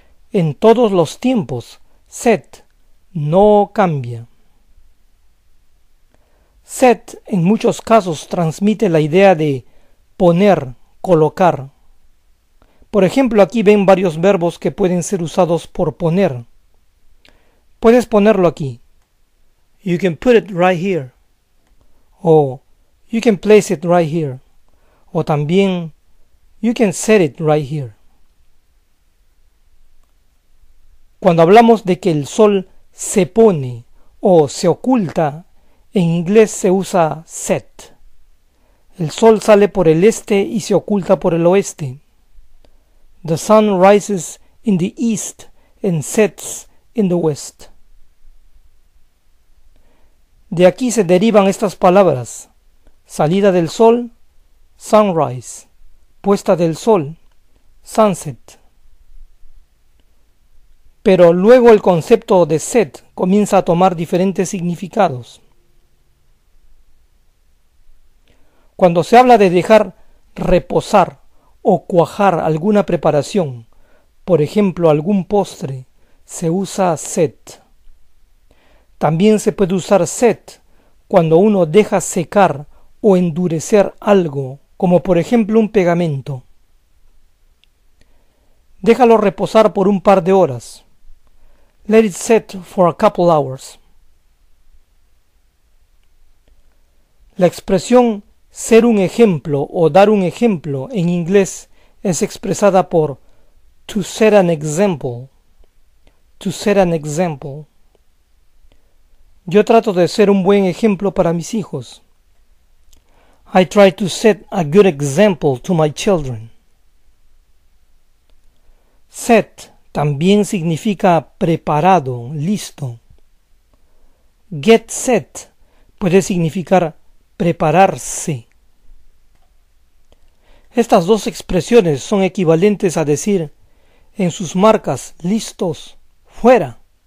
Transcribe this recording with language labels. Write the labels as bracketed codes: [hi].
[es] En todos los tiempos, set no cambia. Set en muchos casos transmite la idea de poner, colocar. Por ejemplo, aquí ven varios verbos que pueden ser usados por poner. Puedes ponerlo aquí. [en] You can put it right here. O you can place it right here. [es] O también [en] you can set it right here. [es] Cuando hablamos de que el sol se pone o se oculta, en inglés se usa set. El sol sale por el este y se oculta por el oeste. [en] The sun rises in the east and sets in the west. [es] De aquí se derivan estas palabras: salida del sol, sunrise; puesta del sol, sunset. Pero luego el concepto de set comienza a tomar diferentes significados. Cuando se habla de dejar reposar o cuajar alguna preparación, por ejemplo algún postre, se usa set. También se puede usar set cuando uno deja secar o endurecer algo, como por ejemplo un pegamento. Déjalo reposar por un par de horas. [en] Let it set for a couple hours. [es] La expresión ser un ejemplo o dar un ejemplo en inglés es expresada por to set an example. [en] To set an example. [es] Yo trato de ser un buen ejemplo para mis hijos. [en] I try to set a good example to my children. [es] Set también significa preparado, listo. Get set puede significar prepararse. Estas dos expresiones son equivalentes a decir en sus marcas, listos, fuera.